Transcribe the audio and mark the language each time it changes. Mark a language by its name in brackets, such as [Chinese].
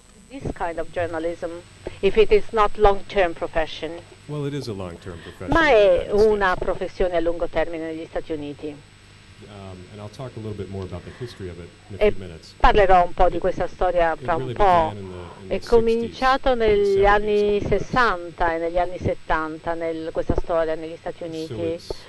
[English] This kind of journalism, if it is not long-term profession. Well, it is a long-term profession. [Italian] Ma è una professione a lungo termine negli Stati Uniti. [English] And I'll talk a little bit more about the history of it in a [Italian] e [English] few minutes. [Italian] Parlerò un po' di questa storia fra un po'. È cominciato negli anni 60 e negli anni 70 questa storia negli Stati Uniti.